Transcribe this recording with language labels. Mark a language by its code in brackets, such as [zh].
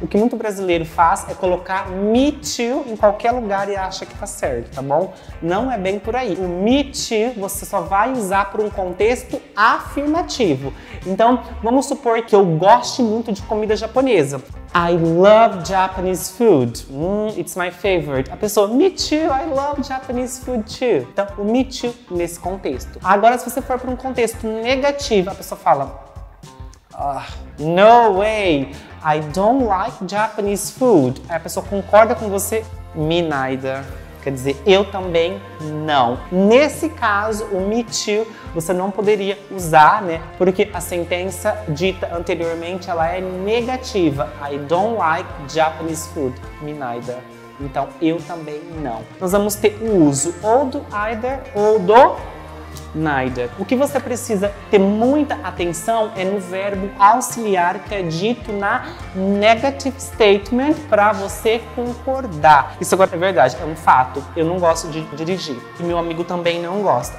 [pt] O que muito brasileiro faz é colocar me too em qualquer lugar e acha que tá certo, tá bom? Não é bem por aí. O me too você só vai usar para um contexto afirmativo. Então, vamos supor que eu goste muito de comida japonesa. [en] I love Japanese food. It's my favorite. [pt] A pessoa, [en] me too, I love Japanese food too. [pt] Então, o me too nesse contexto. Agora, se você for para um contexto negativo, a pessoa fala, [en] no way, I don't like Japanese food. [pt] Aí a pessoa concorda com você, [en] me neither. [pt] Quer dizer, eu também não. Nesse caso, o me too, você não poderia usar, né? Porque a sentença dita anteriormente, ela é negativa. [en] I don't like Japanese food, me neither. [pt] Então, eu também não. Nós vamos ter o uso ou do either ou do neither. O que você precisa ter muita atenção é no verbo auxiliar que é dito na negative statement para você concordar. Isso agora é verdade, é um fato. Eu não gosto de dirigir. E meu amigo também não gosta.